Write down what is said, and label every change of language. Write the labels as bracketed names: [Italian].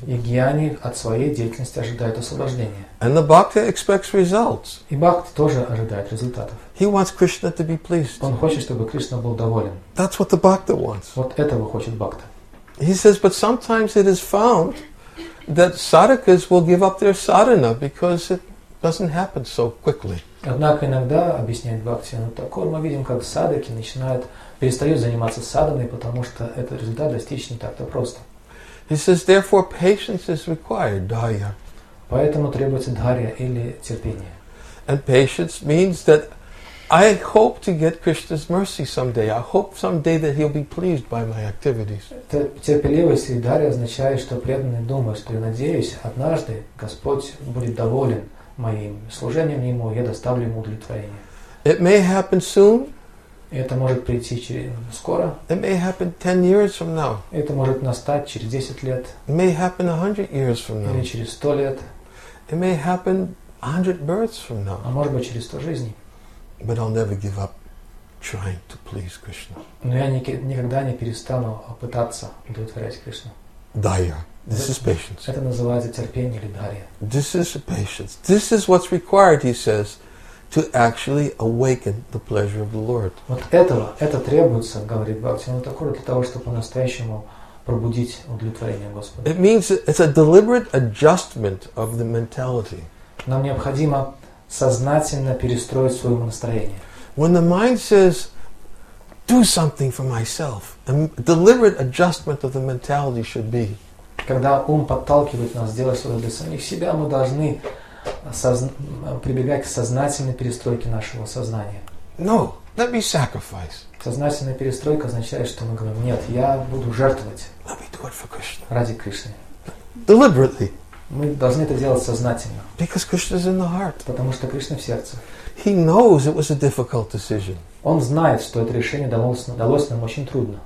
[Russian] И гьяни от своей деятельности ожидает освобождения. [English] And the bhakta expects results. [Russian] И бхакта тоже ожидает результатов. [English] He wants Krishna to be pleased. [Russian] Он хочет, чтобы Кришна был доволен. [English] That's what the bhakta wants. [Russian] Вот этого хочет бхакта. [English] He says, but sometimes it is found that sadhakas will give up their sadhana because it doesn't happen so quickly. [Russian] Однако иногда, объясняет Бхактивинода Такур, мы видим, как садаки начинают, перестают заниматься садханой, потому что этот результат достичь не так-то просто. [English] He says, therefore, patience is required, dhaya. [Russian] Поэтому требуется дхарья или терпение. [English] And patience means that I hope to get Krishna's mercy someday. I hope someday that he'll be pleased by my activities. [Russian] Терпеливость и дхарья означает, что преданный думает, что я надеюсь, однажды Господь будет доволен моим служением ему, я доставлю ему удовлетворение. [English] It may happen soon. [Russian] Это может прийти скоро. [English] It may happen 10 years from now. [Russian] Это может настать через 10 лет. [English] It may happen 100 years from now. [Russian] Или через 100 лет. [English] It may happen 100 births from now. [Russian] А может быть через 100 жизней. [English] But I'll never give up trying to please Krishna. [Russian] Но я никогда не перестану пытаться удовлетворять Кришну. [English] Дайя. This is patience. [Russian] Это называется терпение или дарья. [English] This is patience. This is what's required, he says, to actually awaken the pleasure of the Lord. [Russian] Вот этого, это требуется, говорит Бхактивинода Такура, для того, чтобы по-настоящему пробудить удовлетворение Господа. [English] It means it's a deliberate adjustment of the mentality. [Russian] Нам необходимо сознательно перестроить свое настроение. [English] When the mind says, do something for myself, a deliberate adjustment of the mentality should be. [Russian] Когда ум подталкивает нас сделать что-то для самих себя, мы должны прибегать к сознательной перестройке нашего сознания. [English] No, let me sacrifice. [Russian] Сознательная перестройка означает, что мы говорим, нет, я буду жертвовать. [English] Let me do it for Krishna. [Russian] Ради Кришны. [English] Deliberately. [Russian] Мы должны это делать сознательно. [English] Because Krishna is in the heart. [Russian] Потому что Кришна в сердце. [English] He knows it was a difficult decision. [Russian] Он знает, что это решение далось нам очень трудно.